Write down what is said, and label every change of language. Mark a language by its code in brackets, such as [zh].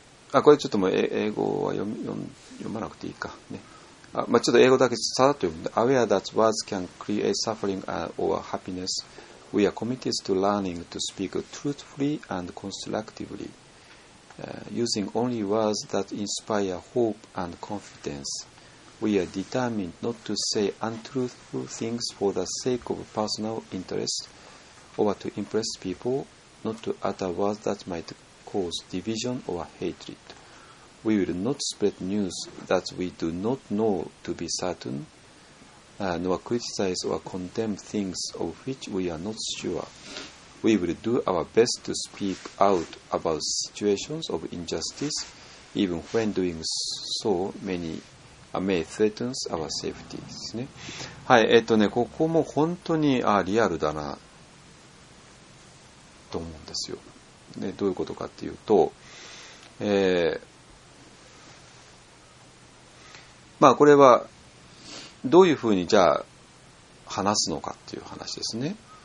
[ja] これちょっともう英語は読まなくていいかね。まあ、ちょっと英語だけさらっと読むんで、 [en] Aware that words can create suffering or happiness, we are committed to learning to speak truthfully and constructively, using only words that inspire hope and confidence, We are determined not to say untruthful things for the sake of personal interest or to impress people, not to utter words that might cause division or hatred. We will not spread news that we do not know to be certain, nor criticize or condemn things of which we are not sure. We will do our best to speak out about situations of injustice, even when doing so may threaten our safety. [ja] ですね。はい、ここも本当にリアルだなと思うんですよ。ね、どういうことかっていうと、まあこれはどういうふうにじゃあ話すのかっていう話ですね。